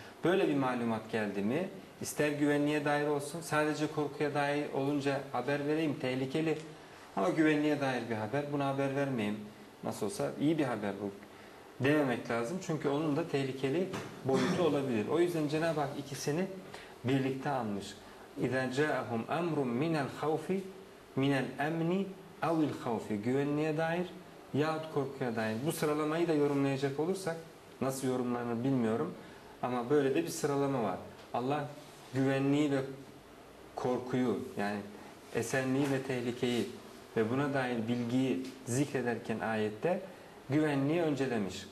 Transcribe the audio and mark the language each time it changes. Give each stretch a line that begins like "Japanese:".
Turkish: Böyle bir malumat geldi mi, ister güvenliğe dair olsun, sadece korkuya dair olunca haber vereyim, tehlikeli. Ama güvenliğe dair bir haber, buna haber vermeyeyim. Nasıl olsa iyi bir haber bu dememek lazım. Çünkü onun da tehlikeli boyutu olabilir. O yüzden Cenab-ı Hak ikisini birlikte almış.
Arabic: اِذَا جَاءَهُمْ اَمْرٌ مِنَ الْخَوْفِ مِنَ الْاَمْنِ اَوِ الْخَوْفِ
Turkish: Güvenliğe dair yahut korkuya dair. Bu sıralamayı da yorumlayacak olursak, nasıl yorumlarını bilmiyorum. Ama böyle de bir sıralama var. Allah güvenliği ve korkuyu, yani esenliği ve tehlikeyi ve buna dair bilgiyi zikrederken ayette güvenliği öncelemiş.